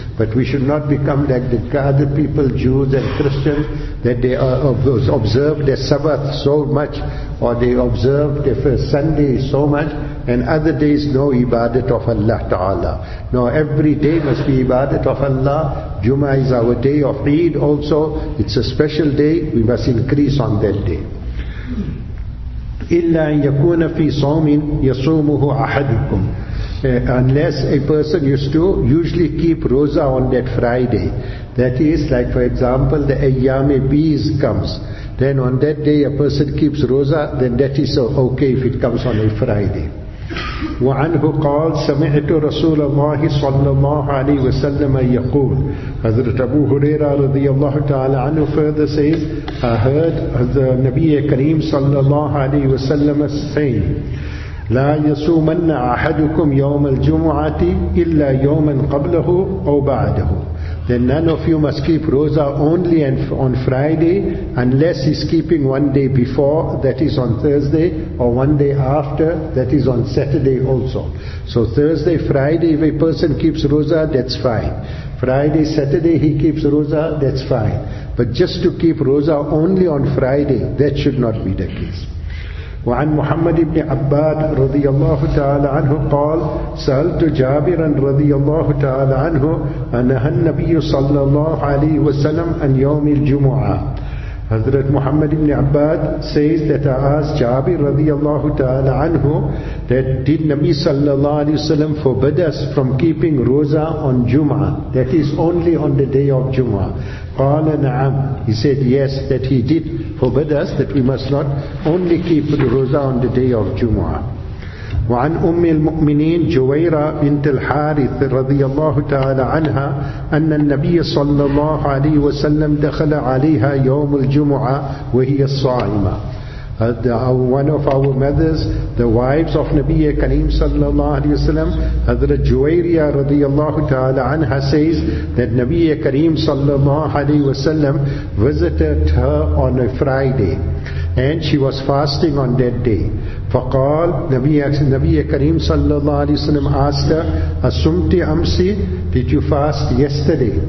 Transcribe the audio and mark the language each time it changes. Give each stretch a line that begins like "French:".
English: But we should not become like the other people, Jews and Christians, that they observe their Sabbath so much, or they observe their first Sunday so much, and other days no ibadat of Allah Ta'ala. No, every day must be ibadat of Allah. Jum'ah is our day of Eid also. It's a special day, we must increase on that day.
Arabic: إلا أن يكون في صوم يصومه أحدكم.
English: Unless a person used to usually keep roza on that Friday. That is, like for example, the ayyam bees comes. Then on that day a person keeps roza, then that is okay if it comes on a Friday.
Arabic: وعنه قال سمعت رسول الله صلى الله عليه وسلم يقول.
English: Hazrat Abu Huraira رضي الله تعالى عنه further says, I heard the Nabi Kareem صلى الله عليه وسلم saying,
Arabic: لا يصومن أحدكم يوم الجمعة إلا يوما قبله أو بعده.
English: Then none of you must keep roza only on Friday unless he's keeping one day before, that is on Thursday, or one day after, that is on Saturday also. So Thursday, Friday, if a person keeps roza, that's fine. Friday, Saturday, he keeps roza, that's fine. But just to keep roza only on Friday, that should not be the case.
Arabic: وعن محمد بن عباد رضي الله تعالى عنه قال سألت جابرا رضي الله تعالى عنه أنهى النبي صلى الله عليه وسلم عن يوم الجمعة.
English: Hazrat Muhammad ibn Abbad says that I asked Jabir radiyallahu ta'ala anhu that did Nabi sallallahu alayhi wa sallam forbid us from keeping roza on Jum'ah, that is only on the day of Jum'ah. Qala na'am, he said yes, that he did forbid us that we must not only keep roza on the day of Jum'ah.
Arabic: وعن أم المؤمنين جويرة بنت الحارث رضي الله تعالى عنها أن النبي صلى الله عليه وسلم دخل عليها يوم الجمعة وهي الصائمة.
English: One of our mothers, the wives of Nabi Kareem sallallahu alayhi wa sallam, Hazrat Juwayriya radiyallahu ta'ala anha says that Nabi Kareem sallallahu alayhi wa sallam visited her on a Friday. and she was fasting on that day. Faqal, Nabi Kareem sallallahu alayhi wa sallam asked her, Asumti amsi, did you fast yesterday?